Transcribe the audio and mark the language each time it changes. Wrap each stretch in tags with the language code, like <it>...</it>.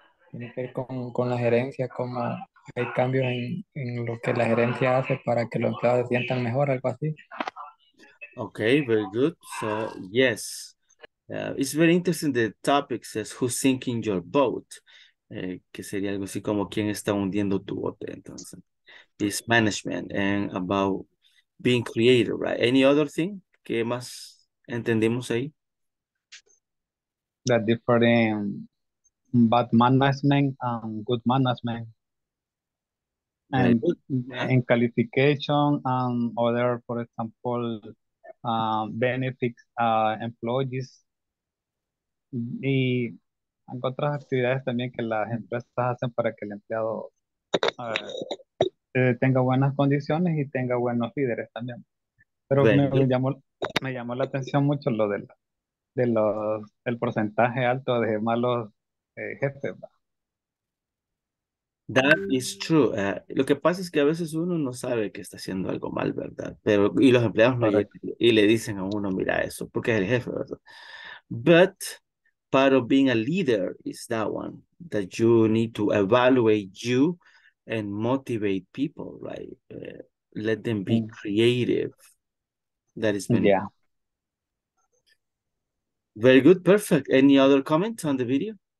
<es>Tiene que ver con la gerencia, cómo hay cambios en lo que la gerencia hace para que los empleados se sientan mejor, algo así.</es> <en>Okay, very good. So, yes. It's very interesting, the topic says, who's sinking your boat?</en> <es>Que sería algo así como, ¿quién está hundiendo tu bote?</es> <en>Entonces, this management and about being creative, right? Any other thing?</en> <es>¿Qué más entendimos ahí?</es> <en>The different bad management and good management. And in qualification, other, for example, benefits, employees.</en> <es>Y hay otras actividades también que las empresas hacen para que el empleado tenga buenas condiciones y tenga buenos líderes también. Pero me llamó la atención mucho lo del porcentaje alto de malos jefes.</es> <en>That is true.</en> <es>Lo que pasa es que a veces uno no sabe que está haciendo algo mal, ¿verdad? Pero, y los empleados no llegan y le dicen a uno, mira eso, porque es el jefe, ¿verdad?</es> <en>But part of being a leader is that one, that you need to evaluate you and motivate people, right? Let them be creative. That is many. Yeah. Very good, perfect. Any other comments on the video?</en>